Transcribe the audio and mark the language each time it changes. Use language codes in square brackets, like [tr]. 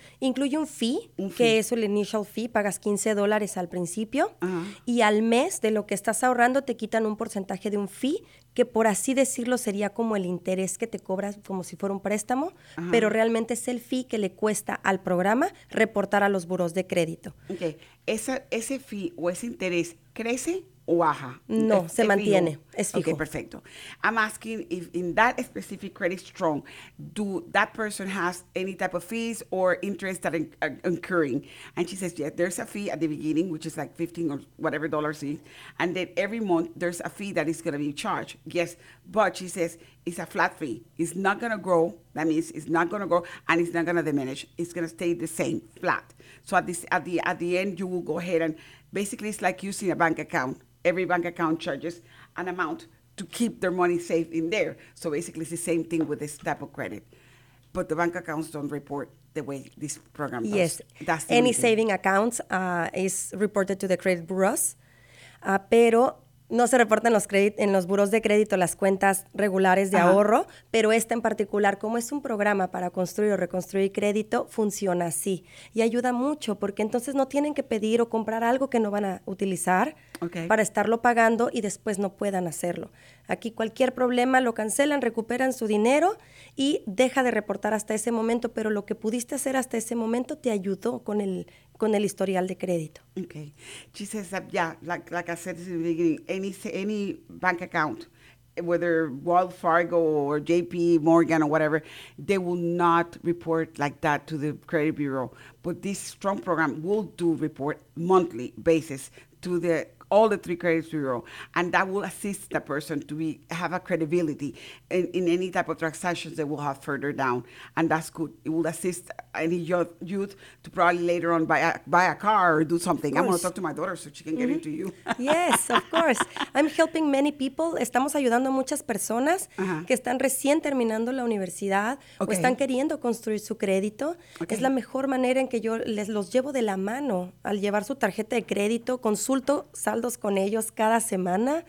[es] Incluye un fee, que es el initial fee, pagas $15 al principio, uh-huh. Y al mes de lo que estás ahorrando te quitan un porcentaje de un fee, que por así decirlo sería como el interés que te cobras como si fuera un préstamo, uh-huh. Pero realmente es el fee que le cuesta al programa reportar a los buros de crédito. Ok, ¿ese fee o ese interés crece o baja? No, se mantiene, es fijo. Ok, perfecto. [en] I'm asking if in that specific credit strong, do that person has any type of fees or interest that are incurring? And she says, yeah, there's a fee at the beginning, which is like 15 or whatever dollars is, and then every month there's a fee that is going to be charged. Yes, but she says it's a flat fee. It's not going to grow. That means it's not going to grow and it's not going to diminish. It's going to stay the same, flat. So at the end, you will go ahead and basically it's like using a bank account. Every bank account charges an amount to keep their money safe in there. So basically it's the same thing with this type of credit. But the bank accounts don't report the way this program does. Yes, that's the any saving accounts is reported to the credit bureaus. [es] Pero no se reportan en los buros de crédito las cuentas regulares de ahorro, pero esta en particular, como es un programa para construir o reconstruir crédito, funciona así. Y ayuda mucho porque entonces no tienen que pedir o comprar algo que no van a utilizar para estarlo pagando y después no puedan hacerlo. Aquí cualquier problema lo cancelan, recuperan su dinero y deja de reportar hasta ese momento, pero lo que pudiste hacer hasta ese momento te ayudó con el historial de crédito. Okay. She says that, yeah, like I said in the beginning, any bank account, whether Wells Fargo or JP Morgan or whatever, they will not report like that to the credit bureau. But this strong program will do report monthly basis to all the three credit bureaus, and that will assist the person to have a credibility in any type of transactions they will have further down. And that's good. It will assist any youth to probably later on buy a car or do something. [en] I'm going to talk to my daughter so she can get into you. Yes, of course. I'm helping many people. [es] Estamos ayudando a muchas personas que están recién terminando la universidad o están queriendo construir su crédito. Okay. Es la mejor manera en que yo los llevo de la mano al llevar su tarjeta de crédito. Consulto saldos con ellos cada semana.